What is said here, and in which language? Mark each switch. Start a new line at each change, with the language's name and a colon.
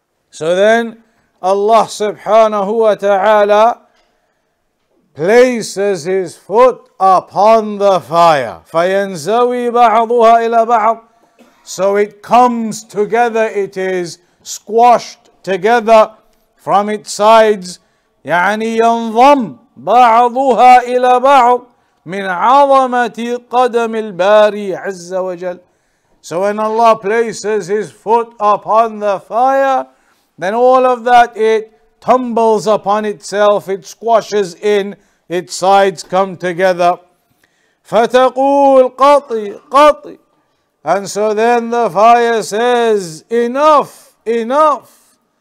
English: So then, Allah subhanahu wa ta'ala places his foot upon the fire.
Arabic: فَيَنْزَوِي بَعْضُهَا إِلَى بَعْضٍ.
English: So it comes together, it is squashed together from its sides.
Arabic: يعني ينضم بعضها إلى بعض من عظمة قدم الباري عز وجل.
English: So when Allah places his foot upon the fire, then all of that, it tumbles upon itself, it squashes in, its sides come together.
Arabic: فتقول قطي قطي.
English: And so then the fire says, enough, enough.